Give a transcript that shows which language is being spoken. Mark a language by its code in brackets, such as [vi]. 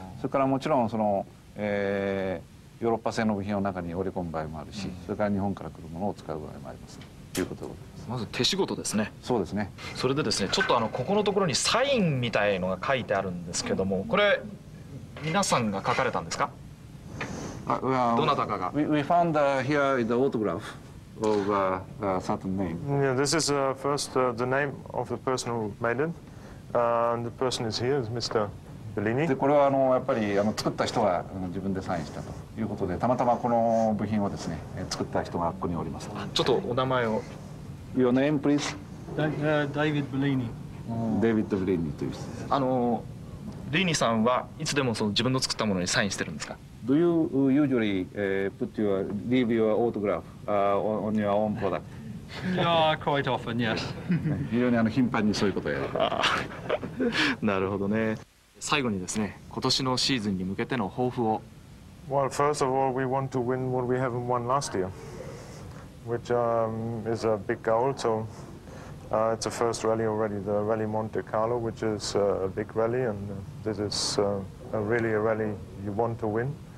[ja] それからもちろんその、ヨーロッパ製の部品の中に織り込む場合もあるし、それから日本から来るものを使う場合もありますということです。まず手仕事ですね。そうですね。それでですね、ちょっとここのところにサインみたいのが書いてあるんですけども、これ皆さんが書かれたんですか。どなたかが。 [en] We found here the autograph of a certain name. Yeah, this is first the name of the person who made it. And the person is here, is Mr. Bellini. [ja] で、これはやっぱり作った人が自分でサインしたということで、たまたまこの部品をですね、作った人がここにおります。ちょっとお名前を。 [en] Your name, please. David Bellini. [ja] David Bellini という人。リーニさんはいつでもその自分の作ったものにサインしてるんですか。 [en] Do you usually put your leave your autograph on your own product? Yeah, quite often, yes. [ja] 非常に頻繁にそういうことをやる。なるほどね。最後にですね、今年のシーズンに向けての抱負を。 [en] Well, first of all, we want to win what we haven't won last year, which is a big goal. So... it's the first rally already, the Rally Monte Carlo, which is a big rally, and this is really a rally you want to win.